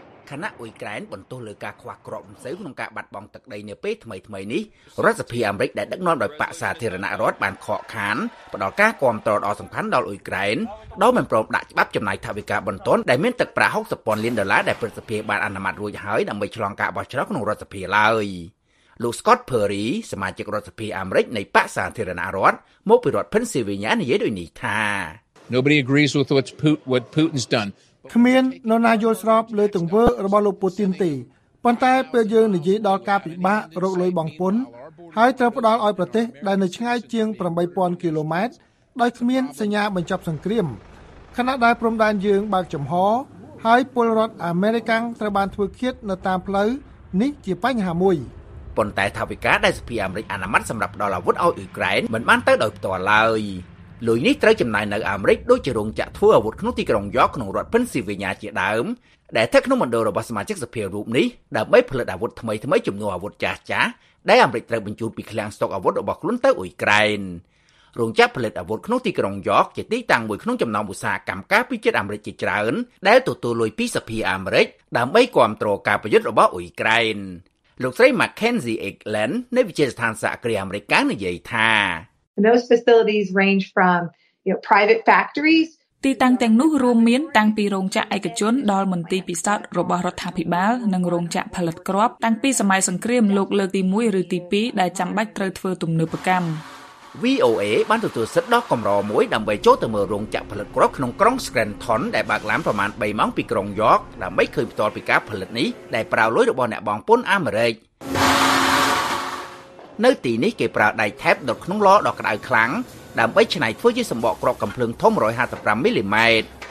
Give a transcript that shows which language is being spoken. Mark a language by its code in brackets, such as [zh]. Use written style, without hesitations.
[km] គណៈអ៊ុយក្រែនបន្ទោសលើការខ្វះក្របមិនសូវក្នុងការបាត់បង់ទឹកដីនៅពេលថ្មីៗនេះរដ្ឋសភាអាមេរិកដែលដឹកនាំដោយបក្សសាធារណរដ្ឋបានខកខានផ្តល់ការគាំទ្រដ៏សំខាន់ដល់អ៊ុយក្រែនដោយមិនព្រមដាក់ច្បាប់ចំណាយថវិកាបន្ទាន់ដែលមានទឹកប្រាក់60,000លានដុល្លារដែលព្រឹទ្ធសភាបានអនុម័តរួចហើយដើម្បីឆ្លងការបោះឆ្នោតក្នុងរដ្ឋសភាឡើយលោក Scott Perry សមាជិករដ្ឋសភាអាមេរិកនៃបក្សសាធារណរដ្ឋមកពីរដ្ឋ Pennsylvania និយាយដូចនេះថា [en] Nobody agrees with what Putin's done. [km] គ្មាននរណាយល់ស្របលើទង្វើរបស់លោកពូទីនទេប៉ុន្តែពេលយើងនិយាយដល់ការពិបាករកលុយបង់ពន្ធហើយត្រូវផ្ដល់ឲ្យប្រទេសដែលនៅឆ្ងាយជាង 8,000 គីឡូម៉ែត្រដោយគ្មានសញ្ញាបញ្ចប់សង្គ្រាមខណៈដែលព្រំដែនយើងបើកចំហហើយពលរដ្ឋអាមេរិកាំងត្រូវបានធ្វើឃាតនៅតាមផ្លូវនេះជាបញ្ហាមួយ ប៉ុន្តែថាវិការដែលសភាអាមេរិកអនុម័តសម្រាប់ផ្ដល់អាវុធឲ្យអ៊ុយក្រែនមិនបានទៅដោយផ្ទាល់ឡើយលុយនេះត្រូវចំណាយនៅអាមេរិកដូចជារោងចក្រធ្វើអាវុធក្នុងទីក្រុងយ៉កក្នុងរដ្ឋពិនស៊ីវីញ៉ាជាដើមដែលស្ថិតក្នុងមណ្ឌលរបស់សមាជិកសភារូបនេះដើម្បីផលិតអាវុធថ្មីថ្មីជំនួសអាវុធចាស់ចាស់ដែលអាមេរិកត្រូវបញ្ជូនពីឃ្លាំងស្តុកអាវុធរបស់ខ្លួនទៅអ៊ុយក្រែន រោងចក្រផលិតអាវុធក្នុងទីក្រុងយ៉កជាទីតាំងមួយក្នុងចំណោមឧស្សាហកម្មការពីជាតិអាមេរិកជាច្រើនដែលទទួលលុយពីសភាអាមេរិកដើម្បីគ្រប់គ្រងការប្រយុទ្ធរបស់អ៊ុយក្រែនលោកស្រី Mackenzie Eklund នៃវិទ្យាស្ថានសហគ្រាសអាមេរិកនិយាយថា [en] Those facilities range from, you know, private factories. [km] ទីតាំងទាំងនោះរួមមានតាំងពីរោងចក្រឯកជនដល់មន្ទីរពិសោធន៍របស់រដ្ឋាភិបាលនិងរោងចក្រផលិតគ្រាប់តាំងពីសម័យសង្គ្រាមលោកលើកទី1ឬទី2ដែលចាំបាច់ត្រូវធ្វើទំនើបកម្ម VOA បានទទួលសិទ្ធិដោះកម្រមួយដើម្បីចូលទៅមើលរោងចក្រផលិតគ្រាប់ក្នុងក្រុង Scranton ដែលបើកឡើងប្រមាណ3ម៉ោងពីក្រុងយ៉កដើម្បីឃើញផ្ទាល់ពីការផលិតនេះដែលប្រើលុយរបស់អ្នកបងពុនអាមេរិកនៅទីនេះគេប្រើដែកថែបដុតក្នុងឡដល់ក្តៅខ្លាំងដើម្បីឆ្នៃធ្វើជាសម្បកគ្រាប់កំភ្លើងធំ155មីលីម៉ែត្រ